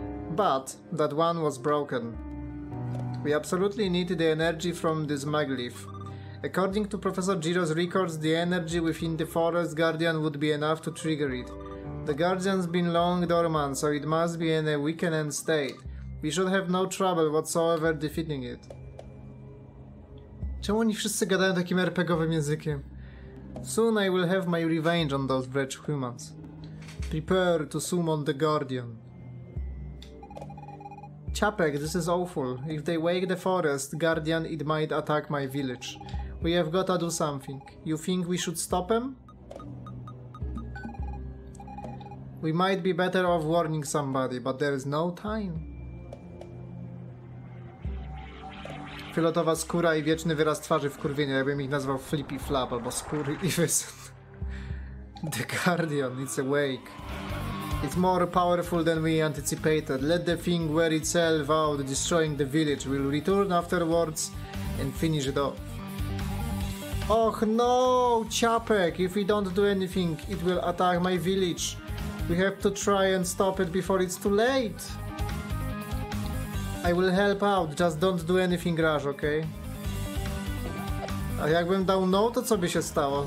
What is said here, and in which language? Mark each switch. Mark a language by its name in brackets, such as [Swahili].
[English] But that one was broken. We absolutely need the energy from this maglev. According to Professor Giro's records, the energy within the Forest Guardian would be enough to trigger it. The Guardian's been long dormant, so it must be in a weakened state. We should have no trouble whatsoever defeating it. [Polish] Czemu oni wszyscy gadają takim RPG-owym językiem? [English] Soon I will have my revenge on those wretched humans. Prepare to summon the Guardian. Chapek, this is awful. If they wake the forest, Guardian, it might attack my village. We have gotta do something. You think we should stop them? We might be better off warning somebody, but there is no time. [Polish] Filotowa skóra i wieczny wyraz twarzy wkurwienia. Ja bym ich nazwał Flippy Flap albo skóry i wysyn. [English] The Guardian, it's awake. It's more powerful than we anticipated. Let the thing wear itself out, destroying the village. We'll return afterwards and finish it off. Och no, Ciapek! If we don't do anything, it will attack my village. We have to try and stop it before it's too late. I will help out, just don't do anything rash, okay? [Polish] A jakbym dał no, to co by się stało?